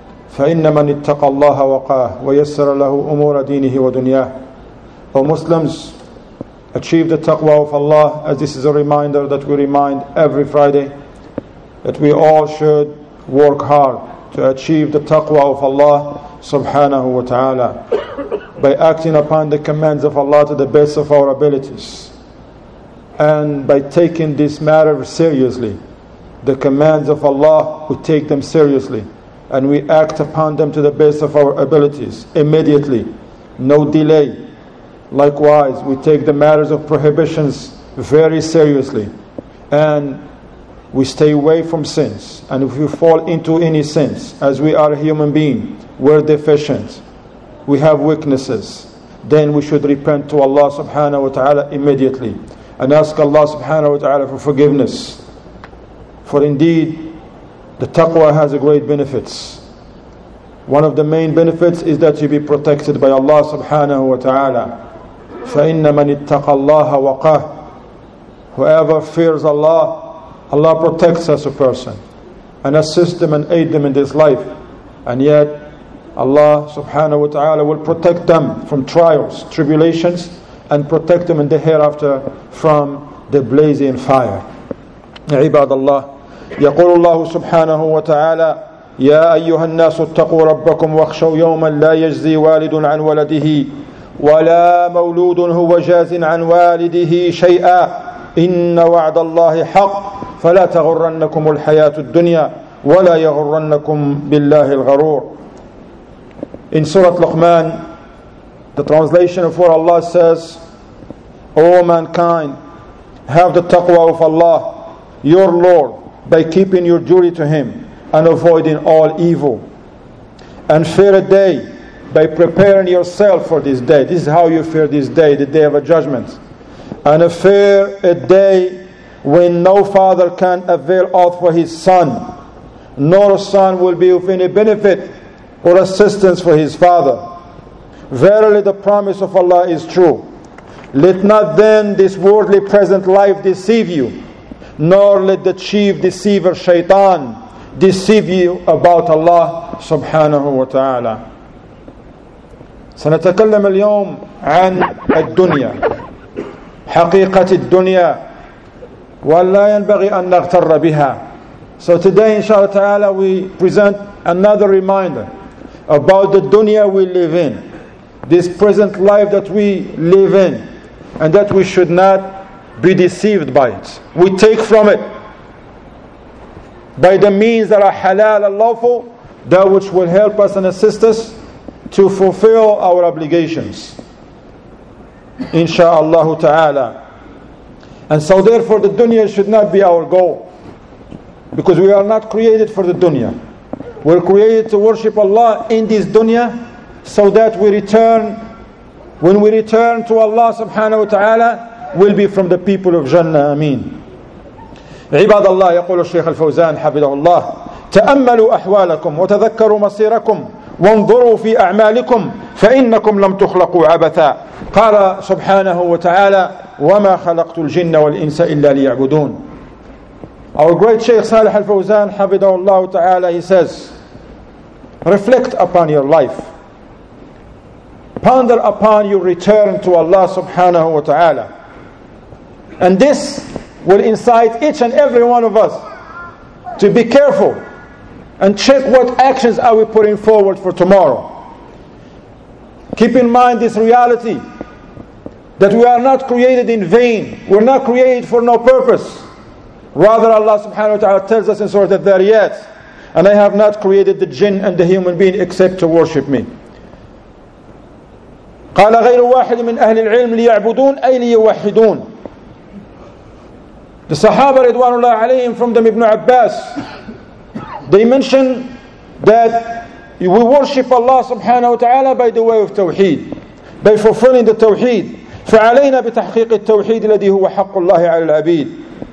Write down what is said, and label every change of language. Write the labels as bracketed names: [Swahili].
[Arabic] فإن من اتقى الله وقاه ويسر له أمور دينه ودنياه [English] O Muslims, achieve the taqwa of Allah, as this is a reminder that we remind every Friday that we all should work hard to achieve the taqwa of Allah subhanahu wa ta'ala by acting upon the commands of Allah to the best of our abilities and by taking this matter seriously. The commands of Allah, we take them seriously and we act upon them to the best of our abilities immediately, no delay. Likewise, we take the matters of prohibitions very seriously and we stay away from sins. And if we fall into any sins, as we are a human being, we're deficient, we have weaknesses, then we should repent to Allah subhanahu wa ta'ala immediately and ask Allah subhanahu wa ta'ala for forgiveness. For indeed, the taqwa has a great benefits. One of the main benefits is that you be protected by Allah subhanahu wa ta'ala. [Arabic] فَإِنَّ مَنِ اتَّقَ اللَّهَ وَقَهُ [English] Whoever fears Allah, Allah protects us a person and assists them and aid them in this life. And yet, Allah subhanahu wa ta'ala will protect them from trials, tribulations, and protect them in the hereafter from the blazing fire. [Arabic] عباد الله يقول الله سبحانه وتعالى يا أيها الناس اتقوا ربكم واخشوا يوما لا يجزي والد عن ولده ولا مولود هو جاز عن والده شيئا إن وعد الله حق فلا تغرنكم الحياة الدنيا ولا يغرنكم بالله الغرور [English] In Surah Luqman, the translation of what Allah says, O mankind, have the taqwa of Allah, your Lord, by keeping your duty to Him and avoiding all evil. And fear a day by preparing yourself for this day. This is how you fear this day, the day of a judgment. And fear a day when no father can avail aught for his son, nor a son will be of any benefit or assistance for his father. Verily the promise of Allah is true. Let not then this worldly present life deceive you, nor let the chief deceiver Shaitan deceive you about Allah subhanahu wa ta'ala. [Arabic] سنتكلم اليوم عن الدنيا حقيقة الدنيا ولا ينبغي أن نغتر بها. [English] So today inshallah ta'ala we present another reminder about the dunya we live in, this present life that we live in, and that we should not be deceived by it. We take from it by the means that are halal and lawful, that which will help us and assist us to fulfill our obligations inshaAllah ta'ala. And so therefore the dunya should not be our goal, because we are not created for the dunya. We're created to worship Allah in this dunya, so that we return, when we return to Allah subhanahu wa ta'ala, will be from the people of Jannah. Ameen. [Arabic] عباد الله يقول الشيخ الفوزان حفظه الله تأملوا أحوالكم وتذكروا مصيركم وانظروا في أعمالكم فإنكم لم تخلقوا عبثا. قال سبحانه وتعالى وما خلقت الجن والإنس إلا ليعبدون. [English] Our great Shaykh Salih al-Fawzan, [Arabic] حفظه الله تعالى, [English] he says, reflect upon your life. Ponder upon your return to Allah subhanahu wa ta'ala. And this will incite each and every one of us to be careful and check what actions are we putting forward for tomorrow. Keep in mind this reality that we are not created in vain. We're not created for no purpose. Rather, Allah subhanahu wa ta'ala tells us in Surah Al-Dhariyat, and I have not created the jinn and the human being except to worship me. [Arabic] قال غير واحد من أهل العلم ليعبدون أي ليوحدون. [English] The Sahaba Ridwanullah alayhim, from them Ibn Abbas, they mention that we worship Allah subhanahu wa ta'ala by the way of Tawheed, by fulfilling the Tawheed. [Arabic] فَعَلَيْنَا بِتَحْقِيقِ التَّوْحِيدِ الَّذِي هُوَ حَقُّ اللَّهِ عَلَى الْعَبِيدِ.